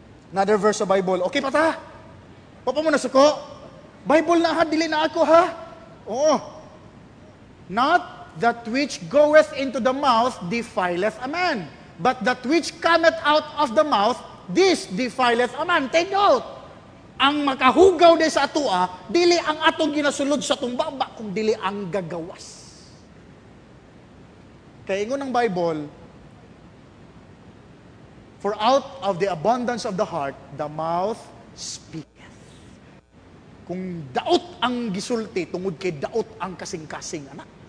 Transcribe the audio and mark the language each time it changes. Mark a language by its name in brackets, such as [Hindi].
[English] Another verse of Bible. Okay [Cebuano] pa ta? Papa mo nasuko? Bible na ha, dili na ako ha? Oo. [English] Not that which goeth into the mouth defileth a man, but that which cometh out of the mouth, this defileth a man. Take note. [Cebuano] Ang makahugaw din sa atua, dili ang atong ginasulod sa tumbaba, kung dili ang gagawas. Kaya ingon ng [English] Bible, for out of the abundance of the heart, the mouth speaketh. [Cebuano] Kung daot ang gisulti, tungod kay daot ang kasing-kasing, anak.